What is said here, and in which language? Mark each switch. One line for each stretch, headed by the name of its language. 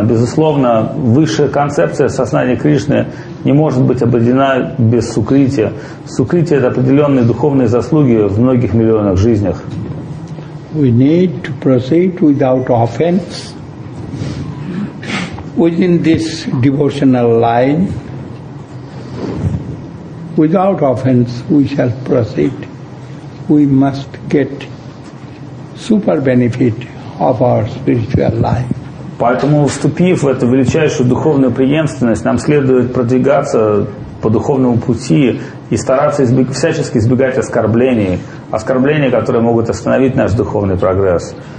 Russian: Безусловно, высшая концепция сознания Кришны не может быть обретена без сукрити. Сукрити – это определенные духовные заслуги в многих миллионах жизнях.
English: We need to proceed without offense within this devotional line. Without offense we shall proceed. We must get super benefit of our spiritual life.
Russian: Поэтому, вступив в эту величайшую духовную преемственность, нам следует продвигаться по духовному пути и стараться всячески избегать оскорблений, оскорблений, которые могут остановить наш духовный прогресс.